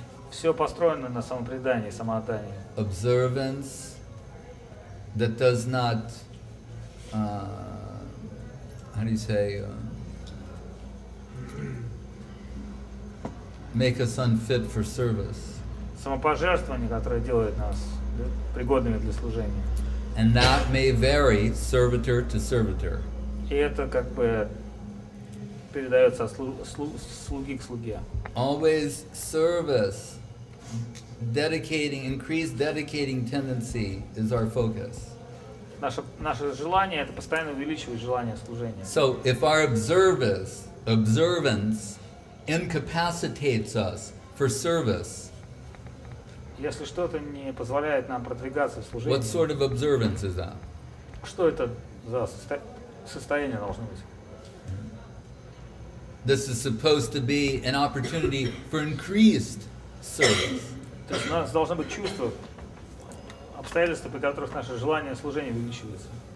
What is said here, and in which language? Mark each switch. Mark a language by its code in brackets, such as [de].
[ru] Все построено на самопредании, самоотдании. [en] Observance that does not, how do you say? Make us unfit for service. [ru] Самопожертвование, которое делает нас пригодными для служения. [en] And that may vary servitor to servitor. [ru] И это как бы передается слуги к слуге. [en] Always service, increased dedicating tendency is our focus. [ru] Наше желание это постоянно увеличивать желание служения. [en] So if our observance incapacitates us for service. [ru] Если что-то не позволяет нам продвигаться в служении. [en] What sort of observance is that? [ru] Что это за состояние должно быть? [en] This is supposed to be an opportunity for increased service. [ru] То есть у нас должно быть чувство обстоятельств, при которых наше желание служения увеличивается.